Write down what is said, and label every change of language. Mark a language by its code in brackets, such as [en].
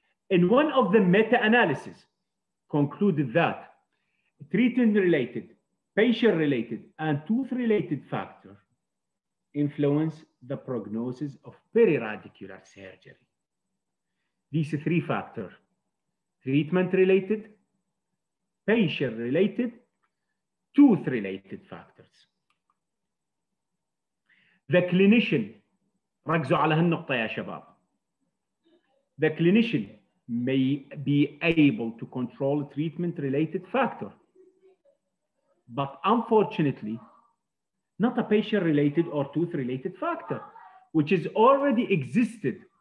[en] In one of the meta-analysis concluded that treatment-related, patient-related, and tooth-related factor influence the prognosis of periradicular surgery. these three factors: treatment-related, patient-related, tooth-related factors. The clinician, [ar] ركزوا على هالنقطة يا شباب. [en] The clinician may be able to control treatment-related factor, but unfortunately, not a patient-related or tooth-related factor, which is already existed.